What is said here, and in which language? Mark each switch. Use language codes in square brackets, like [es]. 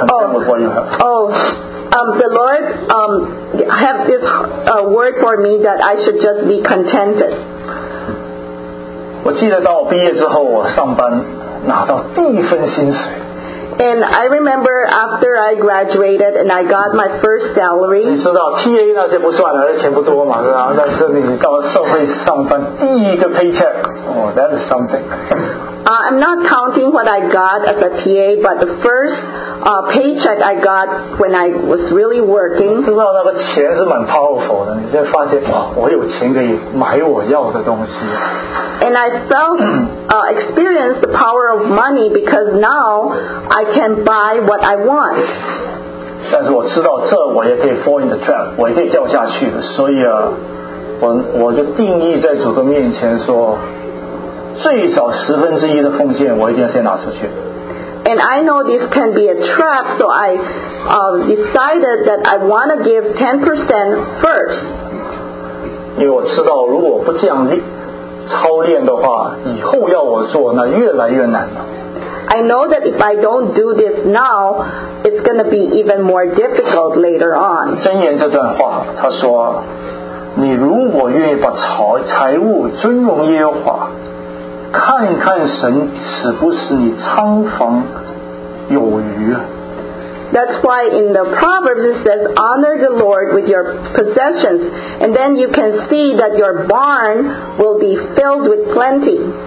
[en] The Lord have this word for me that I should just be contented. [zh] 我记得到毕业之后，我上班拿到第一份薪水。 [en] And I remember after I graduated and I got my first salary. [zh] 你知道 TA 那些不算了，那钱不多嘛，是吧？但是你到社会上班第一个 paycheck, [en] that is something. I'm not counting what I got as a TA, but the first paycheck I got when I was really working. [zh] 你知道那个钱是蛮 powerful 的，你就发现哇，我有钱可以买我要的东西。 [en] And I felt experienced the power of money because now I can buy what I want. [zh] 但是我知道这我也可以 [en] fall in the trap, [zh] 我也可以掉下去的，所以我就定义在主的面前说。最少十分之一的奉献，我一定要先拿出去。 [en] And I know this can be a trap, so I decided that I want to give 10% first. [zh] 因为我知道，如果不这样操练的话，以后要我做，那越来越难了。 [en] I know that if I don't do this now, it's going to be even more difficult later on. [zh] 箴言这段话，他说：“你如果愿意把财务尊荣耶和华。” 看看神使不使你仓房有余。 [en] That's why in the Proverbs it says, honor the Lord with your possessions, and then you can see that your barn will be filled with plenty.